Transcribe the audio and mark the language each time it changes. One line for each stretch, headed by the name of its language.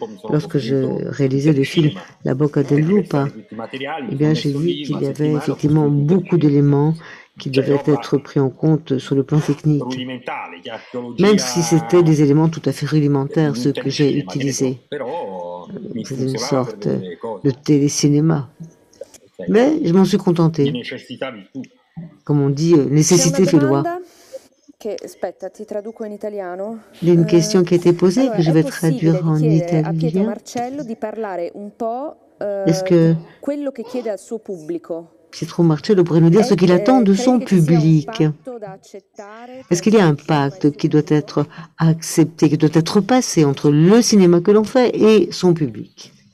French: Lorsque je réalisais le film La Bocca del Lupo, eh bien, j'ai vu qu'il y avait effectivement beaucoup d'éléments qui devaient être pris en compte sur le plan technique, même si c'était des éléments tout à fait rudimentaires, ceux que j'ai utilisés. C'est une sorte de télécinéma. Mais je m'en suis contenté. Come on dit, nécessité fait loi.
Italian: Che, aspetta, ti traduco in italiano.
French: Une question qui a été posée, allora, che je vais traduire en italien.
Italian: A Pietro Marcello di parlare un po' quello che chiede al suo pubblico.
French: Pietro Marcello pourrait nous dire ce qu'il attend de son public. Est-ce qu'il y a un pacte qui doit être accepté, qui doit être passé entre le cinéma que l'on fait et son public?